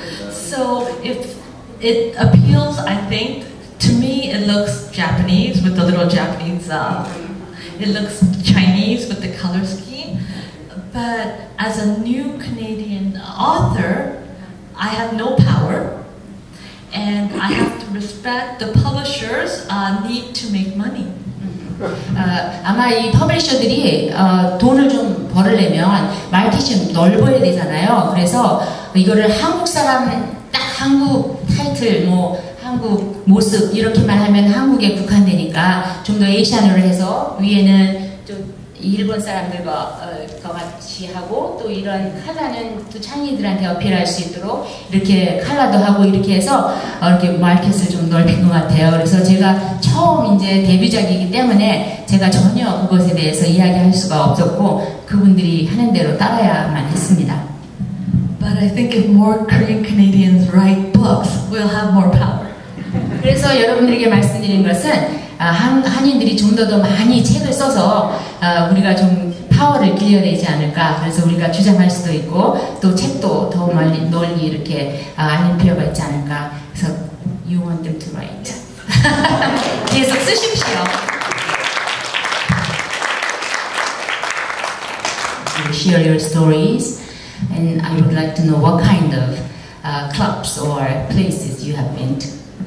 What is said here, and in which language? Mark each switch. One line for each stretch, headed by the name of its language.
English: So if it appeals, I think, to me it looks Japanese with the little Japanese, it looks Chinese with the color scheme. But as a new Canadian author, I have no power, and I have to respect the publishers need to make money.
Korean: 아마 이 퍼블리셔들이 돈을 좀 벌으려면 마켓이 좀 넓어야 되잖아요. 그래서 이거를 한국 사람 딱 한국 타이틀 뭐 한국 모습 이렇게만 하면 한국에 국한되니까 좀 더 에이션으로 해서 위에는 좀 일본 사람들과 같이 하고 또 이런 칼라는 또 창의들한테 어필할 수 있도록 이렇게 칼라도 하고 이렇게 해서 이렇게 마켓을 좀 넓힌 것 같아요. 그래서 제가 처음 이제 데뷔작이기 때문에 제가 전혀 그것에 대해서 이야기할 수가 없었고 그분들이 하는 대로 따라야만 했습니다.
English: But I think if more Korean Canadians write books, we'll have more power.
Korean: 그래서 여러분들에게 말씀드린 것은 한인들이 좀 더 많이 책을 써서 우리가 좀 파워를 길러내지 않을까 그래서 우리가 주장할 수도 있고 또 책도 더 멀리, 널리 이렇게 알릴 필요가 있지 않을까 그래서
English: you want them to write
Korean: 계속 쓰십시오
English: share your stories and I would like to know what kind of clubs or places you have been to